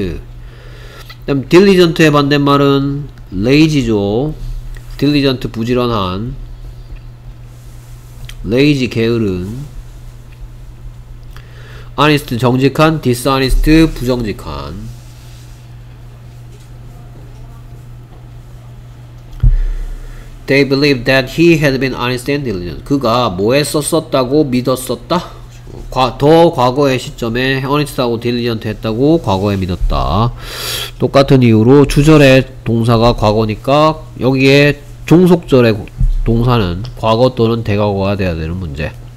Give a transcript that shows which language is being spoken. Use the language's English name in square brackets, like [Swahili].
[Korean] 그 다음 딜리전트의 반대말은 레이지죠. 딜리전트 부지런한, 레이지 게으른, 아니스트 정직한, 디스아니스트 부정직한. [English] 'They believed that he had been honest and diligent.' [Korean] 그가 뭐에 썼었다고 믿었었다? 더 과거의 시점에 허니스하고 딜리전트 했다고 과거에 믿었다. 똑같은 이유로 주절의 동사가 과거니까 여기에 종속절의 동사는 과거 또는 대과거가 돼야 되는 문제.